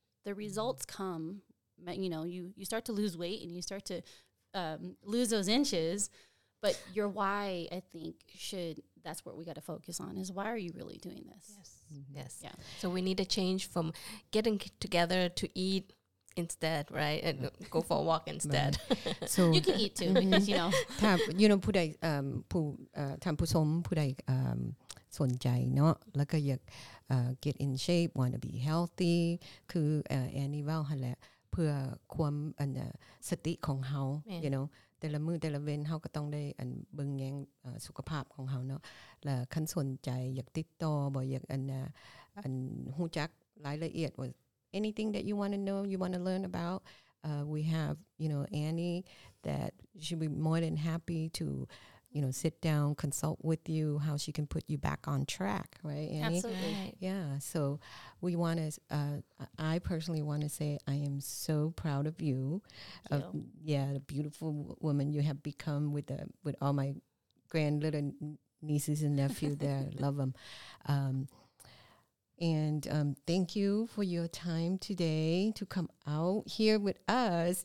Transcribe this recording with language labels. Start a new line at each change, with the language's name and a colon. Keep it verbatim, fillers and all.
English: The results come, you know, you, you start to lose weight and you start to um, lose those inches. But your why, I think, should, that's what we got to focus on, is why are you really doing this? Yes. Mm-hmm. Yes. Yeah. So we need a change from getting c- together to eat instead, right? And go for a walk instead. Right. So you can eat too, because, you know.
Northeastern Thai: ถ้า you know ผู้ใดเอ่อผู้เอ่อท่านผู้ชมผู้ใดเอ่อสนใจเนาะแล้วก็อยากเอ่อ get in shape, want to be healthy คือเอ่อ annual หั่นแหละเพื่อความอัน
English: สติของเฮา you know แต่ละมื้อแต่ละเว้นเฮาก็ต้องได้อันเบิ่งแยงเอ่อสุขภาพของเฮาเนาะแล้วคันสนใจอยากติดต่อบ่อยากอันอันฮู้จักรายละเอียด anything that you want to know you want to learn about uh we have you know Annie that she'll be more than happy to you know sit down consult with you how she can put you back on track right Annie Absolutely right. yeah so we want to uh I personally want to say I am so proud of you, you. Of, yeah the beautiful woman you have become with the with all my grand little nieces and nephews there love them um And um, thank you for your time today to come out here with us.